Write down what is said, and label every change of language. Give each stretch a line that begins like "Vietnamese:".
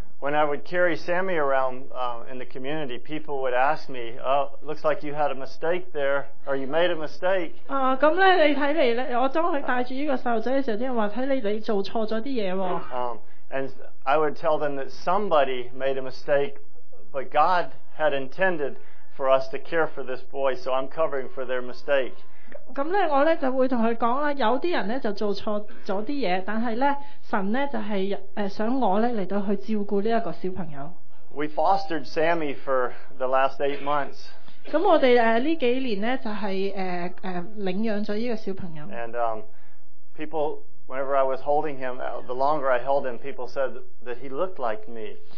English: When I would carry Sammy around in the community, people would ask me, "Oh, looks like you had a mistake there, or you made a mistake."
Cantonese: 咁咧，你睇嚟咧，我當佢帶住依個細路仔嘅時候，啲人話：睇嚟你做錯咗啲嘢喎。
English: And I would tell them that somebody made a mistake, but God had intended for us to care for this boy, so I'm covering for their mistake.
Cantonese: 咁咧，我咧就會同佢講啦。有啲人咧就做錯咗啲嘢，但係咧神咧就係想我咧嚟到去照顧呢一個小朋友。
English: We fostered Sammy for the last 8 months.
Cantonese: 咁我哋呢幾年咧就係領養咗呢個小朋友。
English: And people. Whenever I was holding him, the longer I held him, people said that he looked like me.